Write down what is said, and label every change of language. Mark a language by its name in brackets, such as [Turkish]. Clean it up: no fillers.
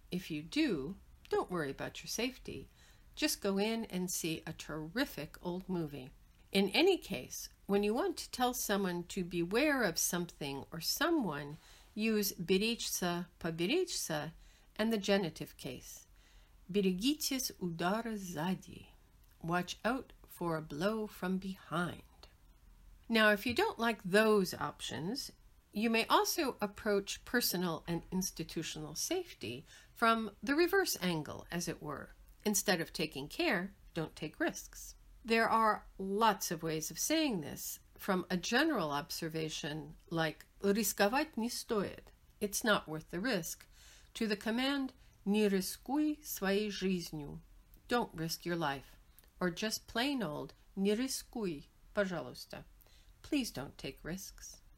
[English] If you do, don't worry about your safety. Just go in and see a terrific old movie. In any case, when you want to tell someone to beware of something or someone, use беречься, поберечься, and the genitive case. [Russian] Берегитесь удара сзади. [English] Watch out for a blow from behind. Now, if you don't like those options, you may also approach personal and institutional safety from the reverse angle, as it were. Instead of taking care, don't take risks. There are lots of ways of saying this, from a general observation like [Russian] рисковать не стоит, [English] it's not worth the risk, to the command [Russian] не рискуй своей жизнью, [English] don't risk your life, or just plain old [Russian] не рискуй, пожалуйста, [English] please don't take risks.